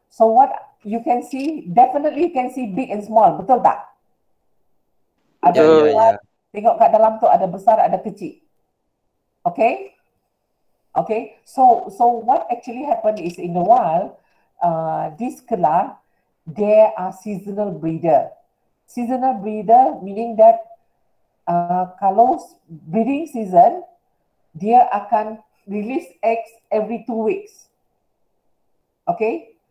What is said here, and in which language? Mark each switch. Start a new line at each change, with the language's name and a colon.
English: So what you can see, definitely you can see big and small.
Malay: Betul tak? Ada yeah, luar, yeah. Tengok kat dalam tu ada besar, ada kecil.
English: Okay? Okay? So what actually happened is in the wild, this kelar, there are seasonal breeder. Seasonal breeder meaning that
Malay: kalau
English: breeding season,
Malay: dia akan
English: release eggs every 2 weeks. Okay?